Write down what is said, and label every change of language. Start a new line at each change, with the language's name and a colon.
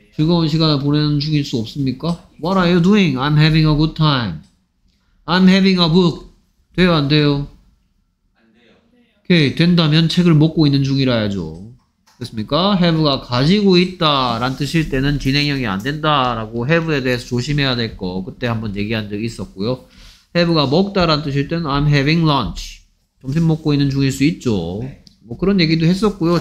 Korean: 즐거운 시간을 보내는 중일 수 없습니까?
English: what are you doing? I'm having a good time. I'm having a book
Korean: 돼요 안 돼요? 오케이. 된다면 책을 먹고 있는 중이라 해야죠. 됐습니까? have가 가지고 있다 라는 뜻일 때는 진행형이 안 된다 라고 have에 대해서 조심해야 될 거 그때 한번 얘기한 적 있었고요. have가 먹다 라는 뜻일 때는
English: I'm having lunch.
Korean: 점심 먹고 있는 중일 수 있죠. 뭐 그런 얘기도 했었고요.